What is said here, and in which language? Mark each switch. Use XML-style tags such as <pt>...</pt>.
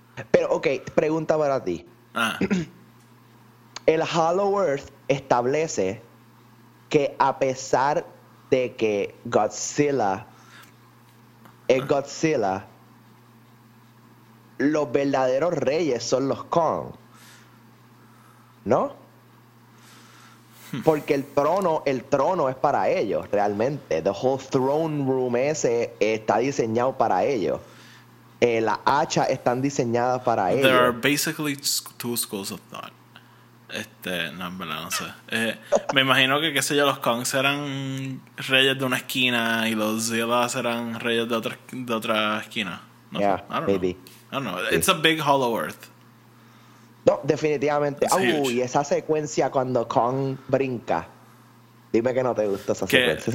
<es>Pero okay, pregunta para ti. El Hollow Earth establece que a pesar de que Godzilla es Godzilla, los verdaderos reyes son los Kong. ¿No? Porque el trono es para ellos, realmente.</es> <en>The whole throne room</en> <es>ese está diseñado para ellos. Las hachas están diseñadas para</es> <en>There</en> <es>ellos.</es> <en>There are basically two schools of thought.</en> <es>No sé. Me imagino que, qué sé yo, los Kong serán reyes de una esquina y los Zilla serán reyes de otra esquina. No,</es> <en>yeah, I don't know.</en> <es>Sí.</es> <en>It's a big hollow earth.</en> <es>No, definitivamente. Y esa secuencia cuando Kong brinca. Dime que no te gusta esa secuencia.</es>